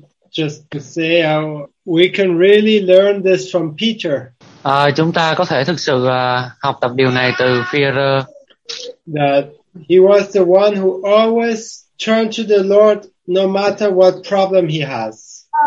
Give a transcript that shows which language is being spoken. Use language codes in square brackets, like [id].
[en] Just to say how we can really learn this from Peter. [vi] Chúng ta có thể thực sự học tập điều này từ Phi-rơ. [en] That he was the one who always turned to the Lord no matter what problem he has.